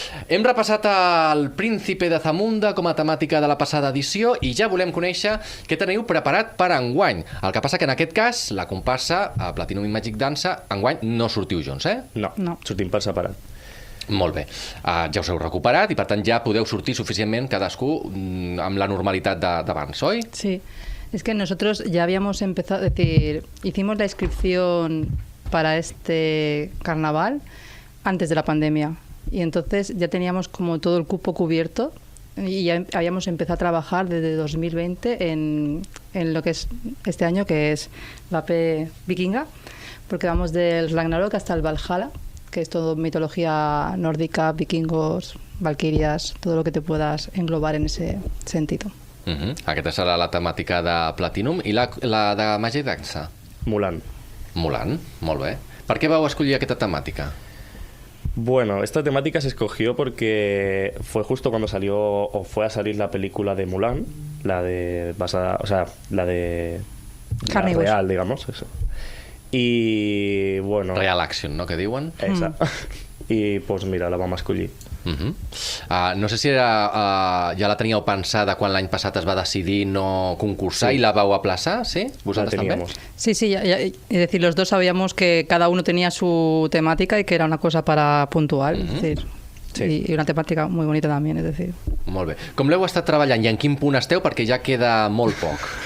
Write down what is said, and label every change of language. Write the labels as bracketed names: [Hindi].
[Catalan] Hem repassat el Príncipe de Zamunda com a temàtica de la passada edició i ja volem conèixer què teniu preparat per enguany. El que passa que en aquest cas, la comparsa Platinum i Magic Dansa, enguany no sortiu junts, eh? No. Sortim per separat. Molt bé, ja us heu recuperat i per tant ja podeu sortir suficientment cadascú amb la normalitat d'abans, oi? [Spanish] Sí, es que nosotros ya habíamos empezado, es decir, hicimos la inscripción para este carnaval antes de la pandemia y entonces ya teníamos como todo el cupo cubierto y ya habíamos empezado a trabajar desde 2020 en lo que es este año, que es Vape Vikinga, porque vamos del Ragnarok hasta el Valhalla, que es todo mitología nórdica, vikingos, valquirias, todo lo que te puedas englobar en ese sentido. Uh-huh. [Catalan] Aquesta serà la temàtica de Platinum. I la de Magic Dansa? Mulan. Mulan, molt bé. Per què vau escollir aquesta temàtica? [Spanish] Bueno, esta temática se escogió porque fue justo cuando salió o fue a salir la película de Mulan, la de basada, o sea, la de la real, digamos, eso. Y bueno, [Catalan] Real Action, ¿no? Que diuen. [Spanish] Esa. Y pues mira, [Catalan] la vam escollir. Uh-huh. No sé si era, ja la teníeu pensada quan l'any passat es va decidir no concursar, sí. I la vau aplaçar, sí? Vosaltres també? [Spanish] Sí, sí, ya, es decir, los dos sabíamos que cada uno tenía su temática y que era una cosa para puntual, uh-huh. Es decir, sí. Y una temática muy bonita también, es decir. [Catalan] Molt bé. Com l'heu estat treballant i en quin punt esteu? Perquè ja queda molt poc.